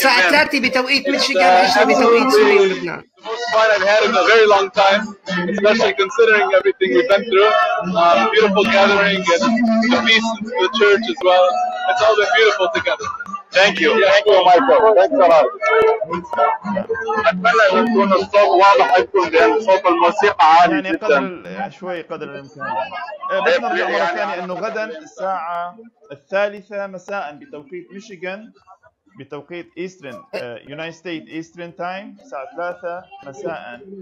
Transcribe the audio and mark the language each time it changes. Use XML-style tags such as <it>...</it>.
<ar>3 بتوقيت ميشيغان، 10 بتوقيت سوريا ولبنان.</ar> <en>Most fun I've had in a very long time, especially considering everything we've been through. Beautiful gathering and the peace in the church as well. It's all been beautiful together. Thank you. Thank you, Michael. Thanks a lot.</en> <ar>أتمنى أن يكون الصوت واضح لكم لأن صوت الموسيقى عالي يعني جدا. قدر شوي قدر الإمكان. بس نرجع مرة ثانية أنه غدا الساعة 3:00 مساء بتوقيت ميشيغان بتوقيت</ar> <en>Eastern United State Eastern Time</en> <ar>الساعة 3:00 مساء.</ar>